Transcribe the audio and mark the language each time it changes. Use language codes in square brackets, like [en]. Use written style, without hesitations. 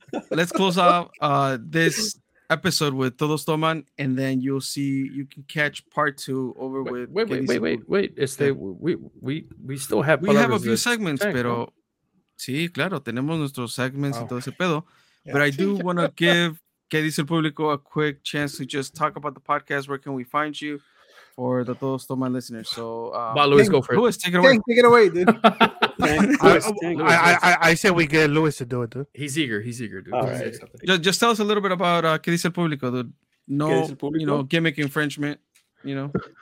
[en] Let's close out this episode with Todos Toman, and then you can catch part two over with. Wait. We still have a few segments, [es] pero sí, claro, tenemos nuestros segments y todo ese pedo. [en] But I do want to give ¿Qué dice el público? A quick chance to just talk about the podcast. Where can we find you? For the Todos Toman listeners, so Luis, go for it. Luis, take it away. Take it away, dude. I say we get Luis to do it, dude. He's eager, dude. All right. Just tell us a little bit about ¿Qué dice el público, dude? No, you know, gimmick infringement, you know.